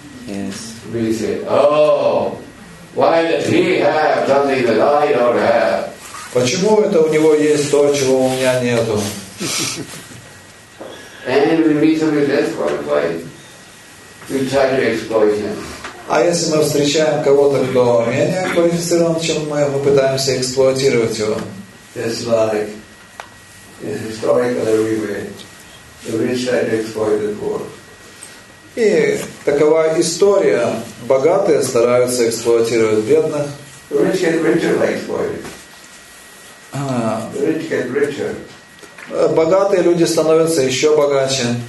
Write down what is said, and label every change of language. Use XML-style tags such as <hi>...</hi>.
<ru>Почему это у него есть то, чего у меня нету?</ru> <en>And we meet somebody less qualified, we try to exploit him.</en> <ru>А если мы встречаем кого-то, кто менее квалифицирован, чем мы пытаемся эксплуатировать его.</ru> <en>It's like in historical everywhere, we try to exploit the poor.</en> <ru>И такова история: богатые стараются эксплуатировать бедных.</ru> <en>The rich get richer by exploiting. The rich get richer.</en> <ru>Богатые люди становятся еще богаче.</ru>